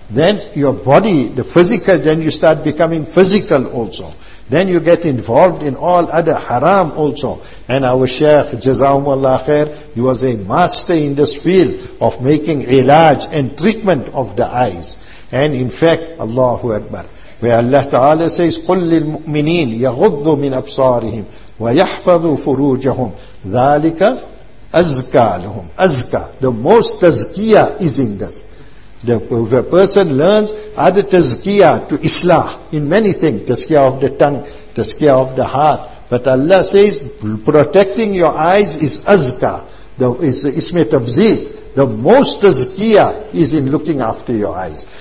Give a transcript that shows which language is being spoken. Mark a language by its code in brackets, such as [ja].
[en] Then your body, the physical, then you start becoming physical also. Then you get involved in all other haram also. And our Shaykh, Jazahumullah Khair, he was a master in this field of making ilaj and treatment of the eyes. And in fact, Allahu Akbar, where Allah Ta'ala says, [ar] قُلْ لِلْمُؤْمِنِينَ يَغُضُّ مِنْ أَبْصَارِهِمْ وَيَحْفَظُ فُرُوجَهُمْ ذَلِكَ أَزْكَى لَهُمْ أَزْكَى. [en] The most tazkiyah is in this. The person learns other tazkiyah to islah in many things. Tazkiyah of the tongue, tazkiyah of the heart. But Allah says, protecting your eyes is azka. Is ismi tabzil. The most tazkiyah is in looking after your eyes.